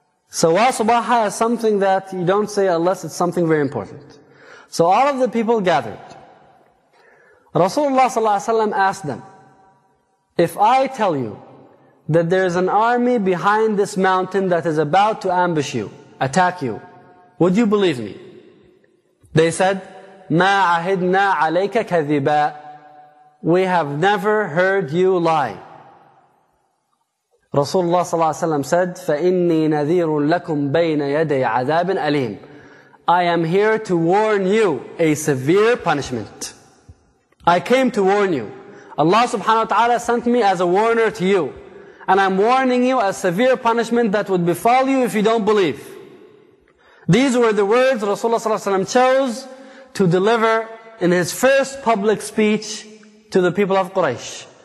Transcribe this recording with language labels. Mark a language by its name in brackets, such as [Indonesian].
[English] So Wa Subaha is something that you don't say unless it's something very important. So all of the people gathered. Rasulullah sallallahu alaihi wasallam asked them, if I tell you that there is an army behind this mountain that is about to ambush you, attack you, would you believe me? [Arabic] They said, مَا عَهِدْنَا عَلَيْكَ كَذِبًا. [English] We have never heard you lie. [Arabic] Rasulullah صلى الله عليه وسلم said, فَإِنِّي نَذِيرٌ لَكُمْ بَيْنَ يَدَيْ عَذَابٍ أَلِيمٍ. [English] I am here to warn you a severe punishment. I came to warn you. Allah subhanahu wa ta'ala sent me as a warner to you. And I'm warning you a severe punishment that would befall you if you don't believe. These were the words Rasulullah صلى الله عليه وسلم chose to deliver in his first public speech to the people of Quraysh.